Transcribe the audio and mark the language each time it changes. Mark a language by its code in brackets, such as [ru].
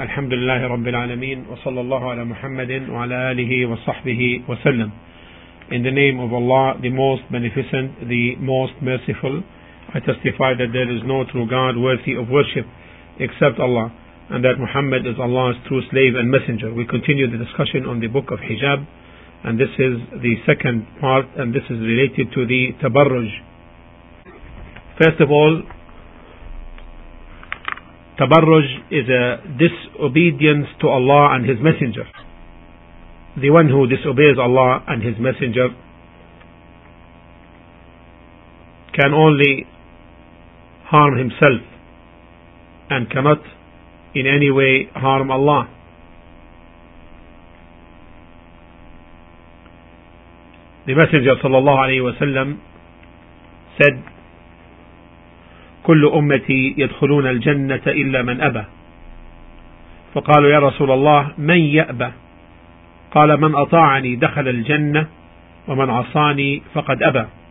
[ar] الحمد لله رب العالمين وصلى الله على محمد وعلى آله وصحبه وسلم. [en] In the name of Allah, the most beneficent, the most merciful, I testify that there is no true God worthy of worship except Allah, and that Muhammad is Allah's true slave and messenger. We continue the discussion on the book of Hijab, and this is the second part, and this is related to the Tabarruj. First of all, Tabarruj is a disobedience to Allah and His Messenger. The one who disobeys Allah and His Messenger can only harm himself and cannot in any way harm Allah. The Messenger sallallahu alayhi wa sallam said, [ar] كل أمتي يدخلون الجنة إلا من أبى. فقالوا يا رسول الله من يأبى؟ قال من أطاعني دخل الجنة ومن عصاني فقد أبى.